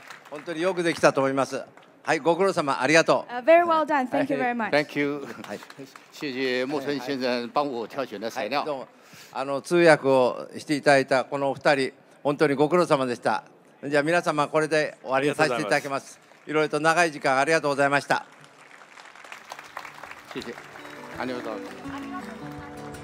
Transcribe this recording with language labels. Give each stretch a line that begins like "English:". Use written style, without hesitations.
Japanese: 本当によくできたと思います。はい、ご苦労様、ありがとう。
English: Very well done. Thank you very much. Thank you.
Chinese: 谢谢木村先生帮我挑选的材料。
Japanese: あの通訳をしていただいたこのお二人、本当にご苦労様でした。じゃあ皆様これで終わりにさせていただきます。いろいろと長い時間ありがとうございました。ありがとうござい